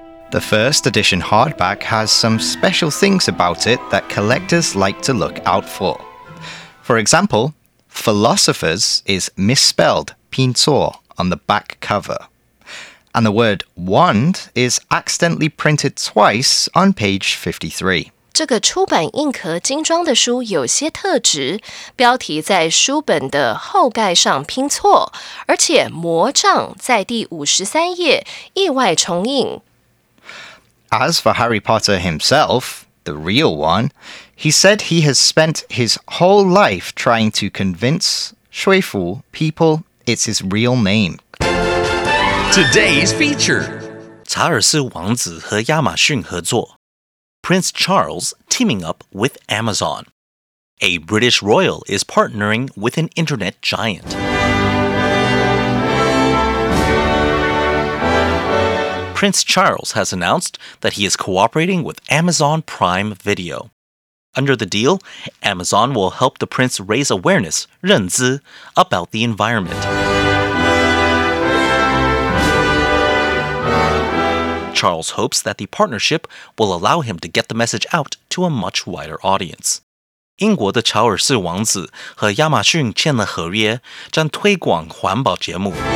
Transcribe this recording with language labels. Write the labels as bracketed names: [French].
[English] The first edition hardback has some special things about it that collectors like to look out for. For example, philosophers is misspelled, 拼错, on the back cover. And the word wand is accidentally printed twice on page 53. [Chinese] 这个出版硬壳精装的书有些特质，标题在书本的后盖上拼错，而且魔杖在第53页意外重印。 [English] As for Harry Potter himself, the real one, he said he has spent his whole life trying to convince Shui Fu people it's his real name. Today's feature. [Chinese] 查尔斯王子和亚马逊合作。 [English] Prince Charles teaming up with Amazon. A British royal is partnering with an internet giant. Prince Charles has announced that he is cooperating with Amazon Prime Video. Under the deal, Amazon will help the prince raise awareness, 认知, about the environment. Charles hopes that the partnership will allow him to get the message out to a much wider audience. [Chinese] 英国的乔尔斯王子和亚马逊签了合约，将推广环保节目。